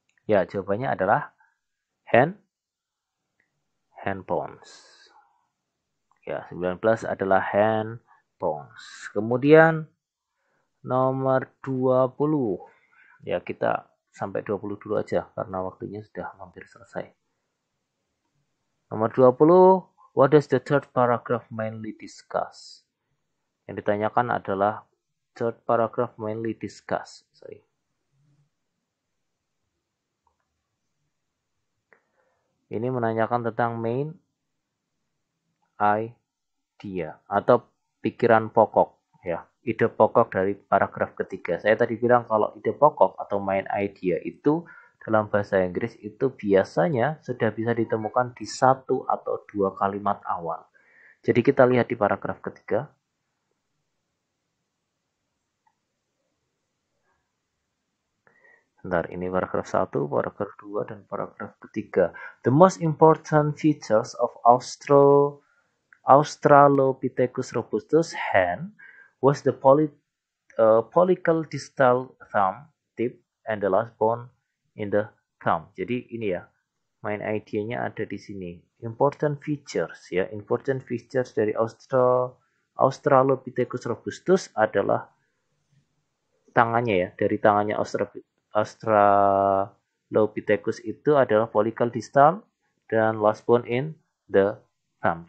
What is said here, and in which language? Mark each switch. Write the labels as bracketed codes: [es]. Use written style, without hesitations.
[id] Ya, jawabannya adalah hand. Hand bones. Ya, 19 adalah hand bones. Kemudian nomor 20. Ya, kita sampai 20 dulu aja karena waktunya sudah hampir selesai. Nomor 20, [en] what does the third paragraph mainly discuss? [id] Yang ditanyakan adalah [en] third paragraph mainly discuss. Sorry. [id] Ini menanyakan tentang main idea atau pikiran pokok, ya, ide pokok dari paragraf ketiga. Saya tadi bilang kalau ide pokok atau main idea itu dalam bahasa Inggris itu biasanya sudah bisa ditemukan di satu atau dua kalimat awal. Jadi kita lihat di paragraf ketiga. Bentar, ini paragraf 1, paragraf 2, dan paragraf ketiga. [en] The most important features of Australopithecus robustus hand was the pollicle distal thumb tip and the last bone in the thumb. [id] Jadi ini ya, main idenya ada di sini. Important features ya, important features dari Australopithecus robustus adalah tangannya ya, dari tangannya Australopithecus itu adalah pollicle distal dan [en] last bone in the thumb.